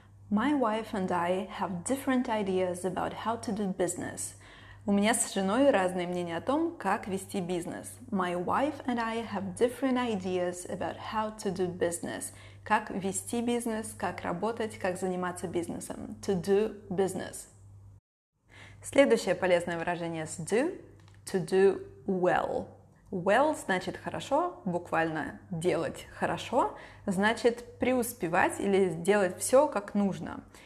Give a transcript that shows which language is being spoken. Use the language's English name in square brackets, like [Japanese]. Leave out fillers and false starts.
[English] My wife and I have different ideas about how to do business. [Russian] У меня с женой разные мнения о том, как вести бизнес. [English] My wife and I have different ideas about how to do business. [Russian] Как вести бизнес, как работать, как заниматься бизнесом. [English] To do business. [Russian] Следующее полезное выражение с [English] do – to do well. [Russian] Well значит хорошо, буквально делать хорошо, значит преуспевать или делать все как нужно.